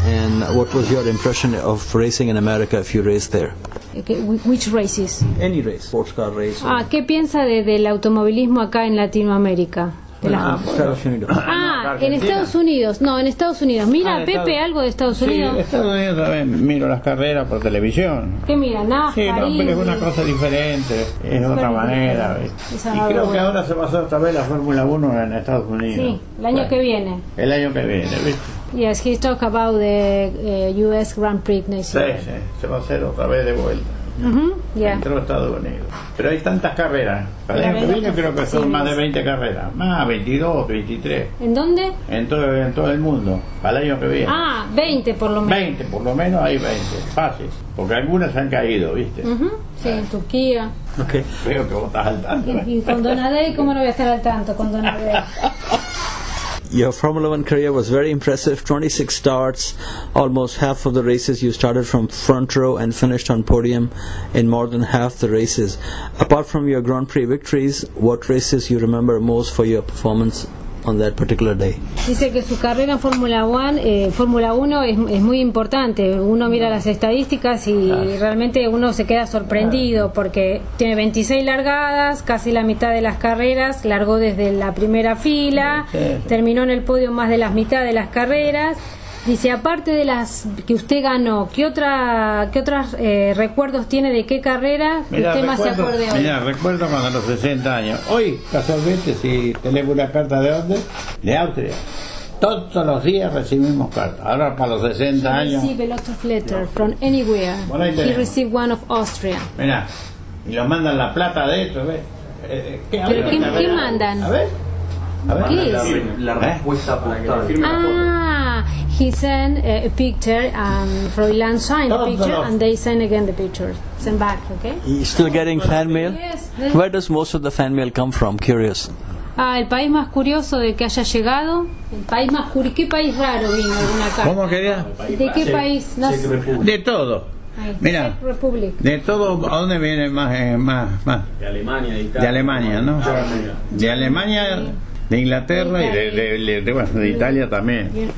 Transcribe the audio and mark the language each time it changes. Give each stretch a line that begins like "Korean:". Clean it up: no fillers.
English: And what was your impression of racing in America if you raced there? Okay. Which races? Any race. Sports car race.
Spanish: Ah, ¿qué piensa del automovilismo acá en Latinoamérica? En Estados Unidos. Mira, Pepe, algo de Estados Unidos. Sí, en Estados Unidos también miro las carreras por televisión. ¿Qué mira? NASCAR. Sí, pero es una cosa diferente, es otra manera. Y creo que ahora se pasó otra vez la Fórmula 1 en Estados Unidos. Sí, el año que viene, ¿viste?
English: Yes, he talked about the US Grand Prix next year.
Spanish: Sí, se va a hacer otra vez de vuelta. Uh-huh, yeah. Entró a Estados Unidos. Pero hay tantas carreras. Para el año que viene creo que son más de 20 carreras. Más, 22, 23. ¿En dónde? En todo el mundo. Para el año que viene. Ah, 20 por lo menos. 20, por lo menos hay 20. Fácil. Porque algunas han caído, ¿viste? Uh-huh. Sí, en Turquía.
English: Okay.
Spanish: Veo que vos estás al tanto. Y con Donadei, ¿cómo no voy a estar al tanto con Donadei?
English: Your Formula One career was very impressive. 26 starts, almost half of the races. You started from front row and finished on podium in more than half the races. Apart from your Grand Prix victories, what races you remember most for your performance on that particular day?
Spanish: Dice que su carrera en Fórmula 1 es muy importante. Uno mira las estadísticas y realmente uno se queda sorprendido porque tiene 26 largadas, casi la mitad de las carreras, largó desde la primera fila, terminó en el podio más de la mitad de las carreras. Dice, aparte de las que usted ganó, ¿qué otros recuerdos tiene de qué carrera usted más se acuerde hoy? Mira, recuerdo cuando a los 60 años, hoy casualmente, si tenemos una carta de dónde, de Austria, todos los días recibimos cartas. Ahora para los 60 años.
English: Recibe lots of letters from anywhere. He received one of Austria.
Spanish: Mira, y lo mandan la plata de eso, ¿ves? ¿Qué mandan? A ver. ¿Qué es? La respuesta postal.
English: He sent a picture, Froilán signed the picture, and they sent again the picture. Send back, okay? He's still getting fan mail? Yes. Where does most of the fan mail come from? Curious.
Spanish: El país más curioso de que haya llegado. ¿Qué país raro vino de una carta? ¿Cómo quería? ¿De qué país? De todo. Mira, de todo, ¿a dónde viene más? De Alemania, Italia. De Alemania, ¿no? De Alemania... De Inglaterra y de Italia también.